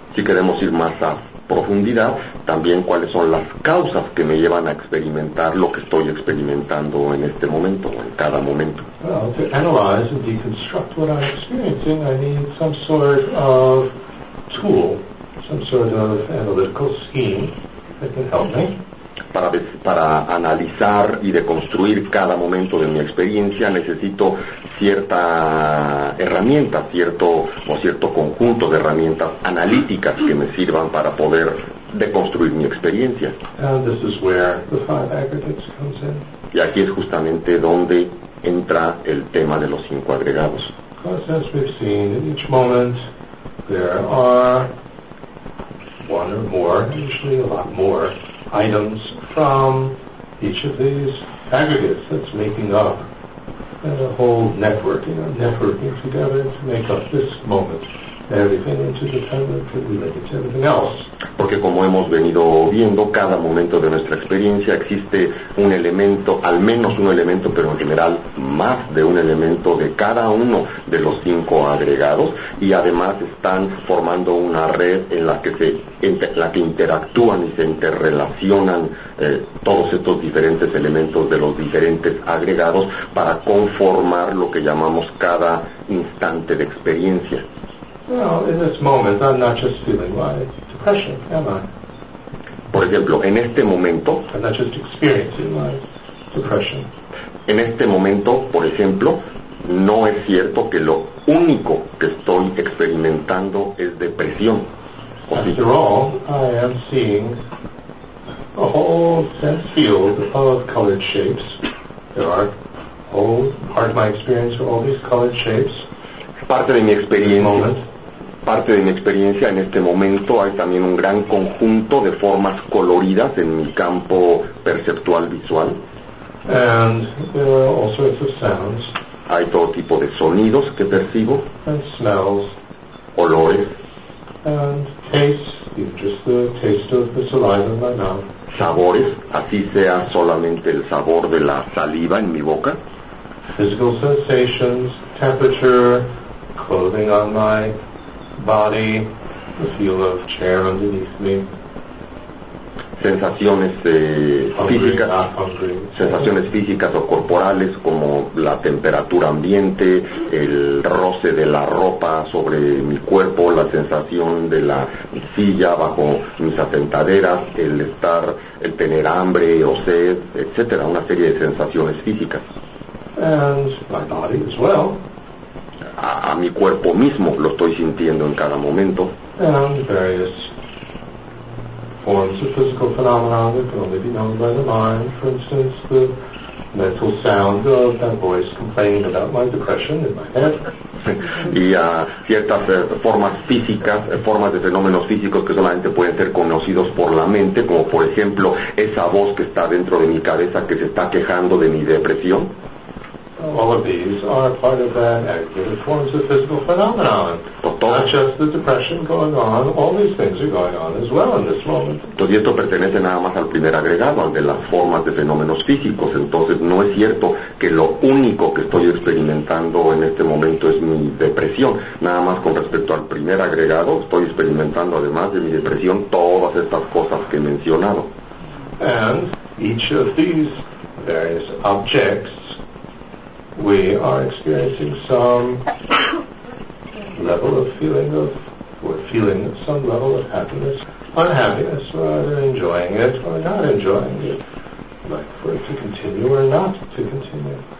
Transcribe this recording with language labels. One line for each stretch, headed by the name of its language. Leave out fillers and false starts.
Spanish: Si queremos ir más a profundidad, también cuáles son las causas que me llevan a experimentar lo que estoy experimentando en este momento, en cada momento.
English: Well, to analyze and deconstruct what I'm experiencing, I need some sort of tool, some sort of analytical scheme that can help me.
Spanish: Para analizar y deconstruir cada momento de mi experiencia necesito cierta herramienta, cierto conjunto de herramientas analíticas que me sirvan para poder deconstruir mi experiencia.
English: And this is where the five aggregates comes in.
Spanish: Y aquí es justamente donde entra el tema de los cinco agregados.
English: Because as we've seen, in each moment there are one or more, usually a lot more, items from each of these aggregates that's making up and a whole network, you know, networking together to make up this moment. Everything interdependent, can we link it to everything else?
Spanish: Porque como hemos venido viendo, cada momento de nuestra experiencia existe un elemento, al menos un elemento, pero en general más de un elemento de cada uno de los cinco agregados, y además están formando una red en la que se interactúan y se interrelacionan todos estos diferentes elementos de los diferentes agregados para conformar lo que llamamos cada instante de experiencia.
English: Well, in this moment, I'm not just feeling my depression, am I?
Spanish: Por ejemplo, en este momento,
English: I'm not just experiencing my depression.
Spanish: En este momento, por ejemplo, no es cierto que lo único que estoy experimentando es depresión.
English: After all, I am seeing a whole sense field of colored shapes. There are whole part of my experience are all these colored shapes.
Spanish: Parte de mi experiencia. Parte de mi experiencia en este momento hay también un gran conjunto de formas coloridas en mi campo perceptual visual.
English: And there are all sorts of sounds.
Spanish: Hay todo tipo de sonidos que percibo.
English: And smells.
Spanish: Olores.
English: And tastes, even just the taste of the saliva in my mouth.
Spanish: Sabores, así sea solamente el sabor de la saliva en mi boca.
English: Physical sensations, temperature, clothing on my body, the feel of chair underneath me.
Spanish: Sensaciones físicas o corporales como la temperatura ambiente, el roce de la ropa sobre mi cuerpo, la sensación de la silla bajo mis asentaderas, el tener hambre o sed, etcétera, una serie de sensaciones físicas.
English: And my body as well.
Spanish: A mi cuerpo mismo lo estoy sintiendo en cada momento.
English: And various forms of physical phenomena that can only be known by the mind. For instance, the mental sound of that voice complaining about my depression in my head.
Spanish: Y a ciertas formas físicas, formas de fenómenos físicos que solamente pueden ser conocidos por la mente, como por ejemplo esa voz que está dentro de mi cabeza que se está quejando de mi depresión.
English: All of these are part of that aggregated forms of physical phenomenon.
Spanish: Todo,
English: not just the depression going on, all these things are going on as well in this moment.
Spanish: Todo esto pertenece nada más al primer agregado, al de las formas de fenómenos físicos. Entonces no es cierto que lo único que estoy experimentando en este momento es mi depresión. Nada más con respecto al primer agregado, estoy experimentando además de mi depresión todas estas cosas que he mencionado.
English: And each of these various objects, we are experiencing some level of feeling of, we're feeling some level of happiness, unhappiness, rather enjoying it or not enjoying it, like for it to continue or not to continue.